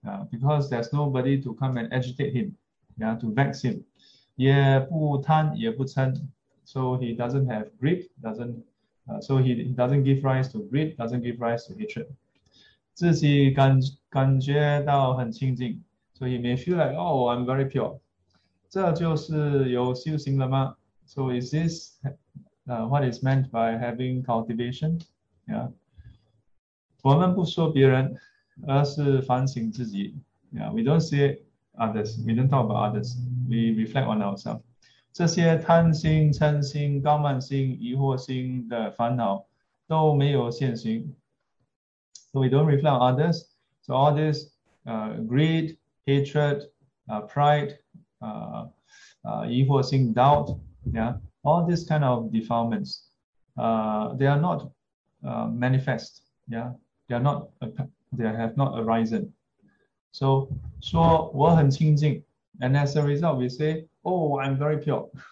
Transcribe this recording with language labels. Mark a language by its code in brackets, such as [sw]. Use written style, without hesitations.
[en] because there's nobody to come and agitate him, yeah, to vex him, [zh] 也不贪也不嗔, [en] so he doesn't have greed, so he doesn't give rise to greed, doesn't give rise to hatred. [zh] 自己感觉到很清净, [en] so he may feel like, oh, I'm very pure. [zh] 这就是有修行了吗? [en] So is this what is meant by having cultivation? Yeah. [zh] 我们不说别人,而是反省自己. [en] Yeah, we don't see others, we don't talk about others, we reflect on ourselves. [zh] 这些贪心、嗔心、高慢心、疑惑心的烦恼都没有现行. [en] So we don't reflect on others. So all this greed, hatred, pride, [zh] 疑惑心, [en] doubt, yeah, all these kind of defilements, they are not manifest. Yeah, they have not arisen. So [zh] 说我很清净, [en] and as a result, we say, oh, I'm very pure.